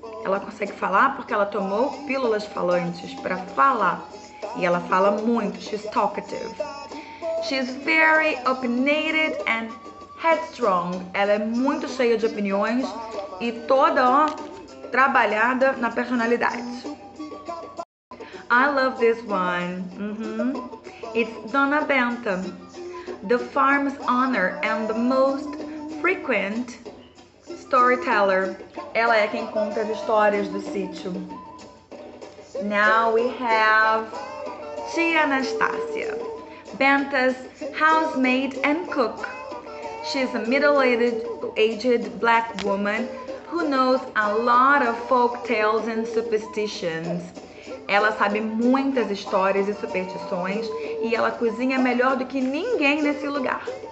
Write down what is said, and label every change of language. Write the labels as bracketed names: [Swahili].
[Portuguese] Ela consegue falar porque ela tomou pílulas falantes para falar. E ela fala muito, [English] she's talkative. She's very opinionated and headstrong. [Portuguese] Ela é muito cheia de opiniões e toda trabalhada na personalidade. [English] I love this one. Mm-hmm. It's Dona Benta, the farm's owner and the most frequent storyteller. [Portuguese] Ela é quem conta as histórias do sítio. [English] Now we have Tia Anastasia, Benta's housemaid and cook. She's a middle-aged black woman who knows a lot of folk tales and superstitions. [Portuguese] Ela sabe muitas histórias e superstições e ela cozinha melhor do que ninguém nesse lugar.